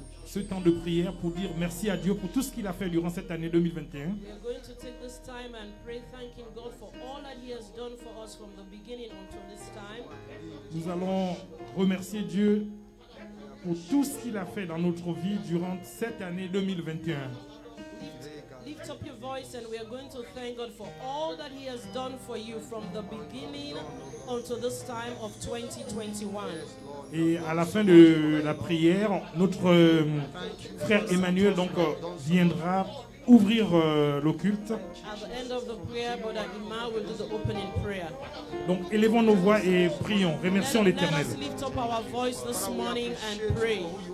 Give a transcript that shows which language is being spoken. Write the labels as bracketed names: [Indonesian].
[French] ce temps de prière pour dire merci à Dieu pour tout ce qu'il a fait durant cette année 2021. [English] We are going to take this time and pray thanking God for all that he has done for us from the beginning until this time. [French] Nous allons remercier Dieu pour tout ce qu'il a fait dans notre vie durant cette année 2021. [English] Lift up your voice and we are going to thank God for all that he has done for you from the beginning until this time of 2021. [French] Et à la fin de la prière, notre frère Emmanuel donc viendra ouvrir le culte. [English] At the end of the prayer, Brother Imam will do the opening prayer. [French] Donc élevons nos voix et prions, remercions l'Éternel. [English] Let us lift up our voice this morning and pray.